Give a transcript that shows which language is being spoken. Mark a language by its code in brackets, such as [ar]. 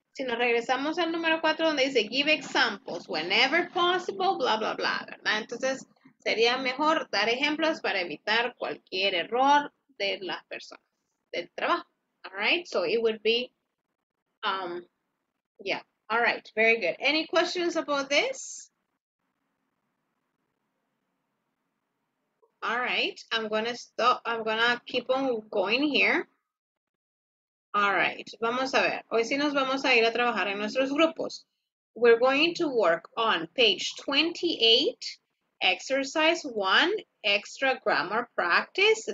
[es] Si nos regresamos al número 4 donde dice, [en] give examples whenever possible, [es] bla, bla, bla, ¿verdad? Entonces, sería mejor dar ejemplos para evitar cualquier error de las personas, del trabajo. [en] All right, so it would be, all right, very good. Any questions about this? All right, I'm gonna keep on going here. [es] All right, vamos a ver. Hoy sí nos vamos a ir a trabajar en nuestros grupos. [en] We're going to work on page 28, exercise 1, extra grammar practice.